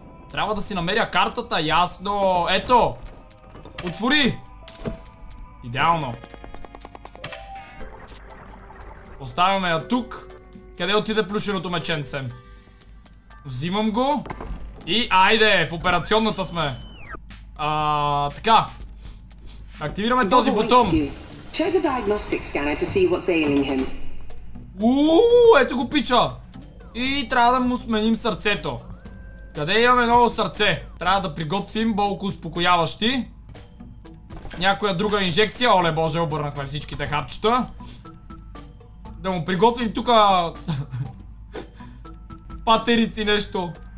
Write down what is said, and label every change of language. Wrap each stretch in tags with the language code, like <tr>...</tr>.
<bg>Трябва да си намеря картата, ясно. Ето, отвори. Идеално. Оставяме я тук. Къде отиде плюшеното меченце? Взимам го. И айде, в операционната сме. Така. Активираме този бутон.</bg> <en>Check the diagnostic scanner to see what's ailing him.</en> <bg>Ето го пича. И трябва да му сменим сърцето. Къде имаме ново сърце? Трябва да приготвим болко успокояващи. Някоя друга инжекция. Оле боже, обърнахме всичките хапчета. Да му приготвим тук патерици нещо.</bg>